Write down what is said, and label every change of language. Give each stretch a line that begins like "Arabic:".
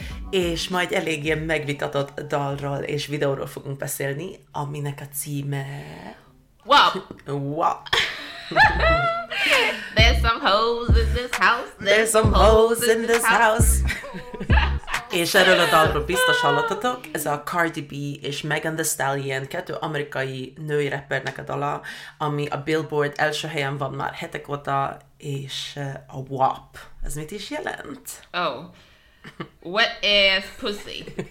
Hungarian: És majd elég ilyen megvitatott dalról és videóról fogunk beszélni, aminek a címe...
English: Wap! Wap! There's some hoes in this house. There's some hoes in this house.
Hungarian: És erről a dalról biztos hallottatok, ez a Cardi B és Megan Thee Stallion, kettő amerikai női rappernek a dala, ami a Billboard első helyen van már hetek óta, és a WAP. Ez mit is jelent?
English: Oh, wet ass pussy.